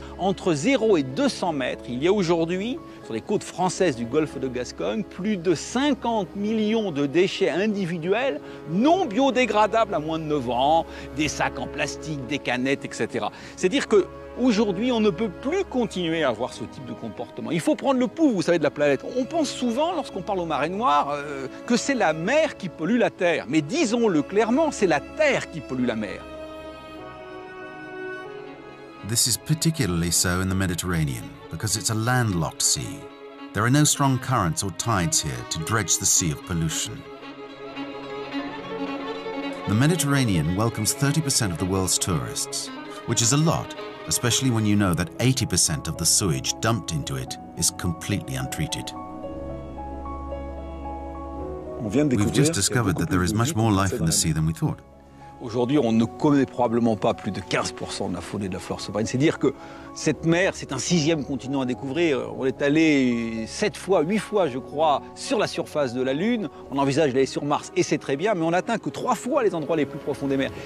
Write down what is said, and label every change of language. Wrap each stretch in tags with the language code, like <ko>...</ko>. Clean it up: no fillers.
<fr>Entre 0 et 200 mètres, il y a aujourd'hui, sur les côtes françaises du golfe de Gascogne, plus de 50 millions de déchets individuels non biodégradables à moins de 9 ans, des sacs en plastique, des canettes, etc. C'est-à-dire que aujourd'hui, on ne peut plus continuer à avoir ce type de comportement. Il faut prendre le pouls, vous savez, de la planète. On pense souvent, lorsqu'on parle aux marées noires, que c'est la mer qui pollue la terre. Mais disons-le clairement, c'est la terre qui pollue la mer.</fr> <en>This is particularly so in the Mediterranean, because it's a landlocked sea. There are no strong currents or tides here to dredge the sea of pollution. The Mediterranean welcomes 30% of the world's tourists, which is a lot, especially when you know that 80% of the sewage dumped into it is completely untreated. We've just discovered that there is much more life in the sea than we thought.</en> <fr>Aujourd'hui, on ne connaît probablement pas plus de 15% de la faune et de la flore sauvage. C'est-à-dire que cette mer, c'est un sixième continent à découvrir. On est allé 7 fois, 8 fois, je crois, sur la surface de la Lune. On envisage d'aller sur Mars, et c'est très bien, mais on n'atteint que 3 fois les endroits les plus profonds des mers.</fr>